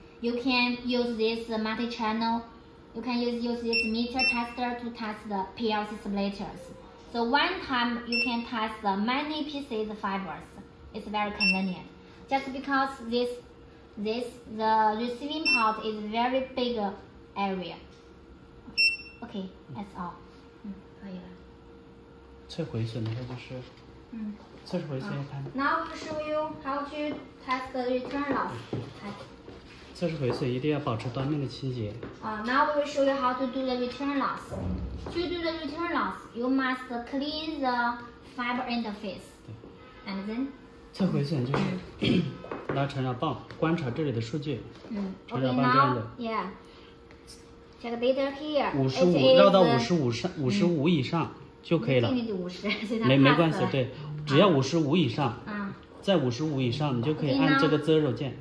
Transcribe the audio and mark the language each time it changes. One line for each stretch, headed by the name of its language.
English: You can use this multi-channel. You can use this meter tester to test the PLC splitters. So one time you can test the many pieces of fibers. It's very convenient. Just because this the receiving part is very big area. Okay, that's all.
Chinese: 测回损的话就是，测试回损要看。
English: Now we show you how to test the return loss.
Chinese: 测试回损一定要保持端面的清洁。
English: Now we will show you how to do the return loss. To do the return loss, you must clean the fiber interface. And then.
Chinese: 测回损就是拿传导棒观察这里的数据。嗯。传导棒这样子。
English: Check data here.
Chinese: 55绕到55以上就可以了。没关系，对，只要55以上。在55以上你就可以按这个 zero 键。